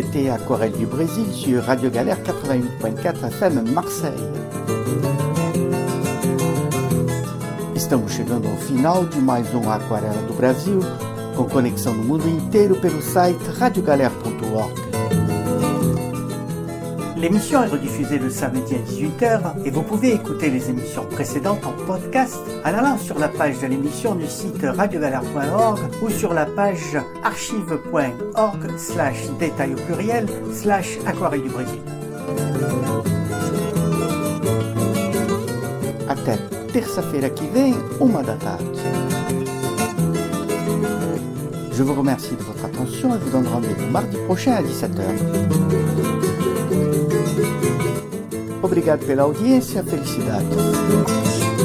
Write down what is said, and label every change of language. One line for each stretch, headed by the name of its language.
French: Aquarelle du Brésil sur Radio Galère 88.4 FM Marseille.
Portuguese: Estamos chegando ao final de mais um Aquarela do Brasil, com conexão no mundo inteiro pelo site radiogalère.org.
French: L'émission est rediffusée le samedi à 18h et vous pouvez écouter les émissions précédentes en podcast en allant sur la page de l'émission du site radiogalère.org ou sur la page archive.org/détail au pluriel/aquarelle du Brésil.
Portuguese: Até terça-feira que vem, uma da tarde.
French: Je vous remercie de votre attention et vous donne rendez-vous mardi prochain à 17h.
Portuguese: Obrigado pela audiência. Felicidades.